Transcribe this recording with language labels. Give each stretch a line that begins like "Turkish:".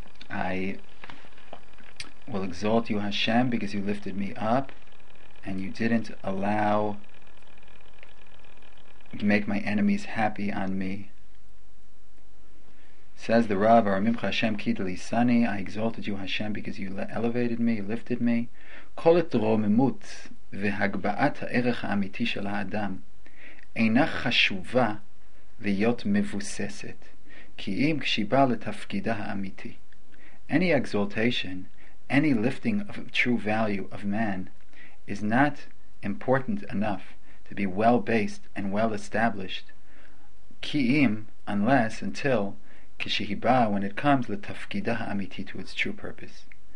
English: I will exalt you, Hashem, because you lifted me up, and you didn't allow to make my enemies happy on me. Says the Rav,
Hebrew: Aramimcha Hashem Ki Delisani,
English: I exalted you, Hashem, because you elevated me, you lifted me.
Hebrew: כל התרוממות והגבעת הערך האמיתי של האדם אינה חשובה להיות מבוססת, כי אם כשהיא באה לתפקידה האמיתי.
English: Any exaltation, any lifting of true value of man is not important enough to be well-based and well-established,
Hebrew: כי אם,
English: unless, until,
Hebrew: כשהיא באה,
English: when it comes
Hebrew: לתפקידה האמיתי,
English: to its true purpose.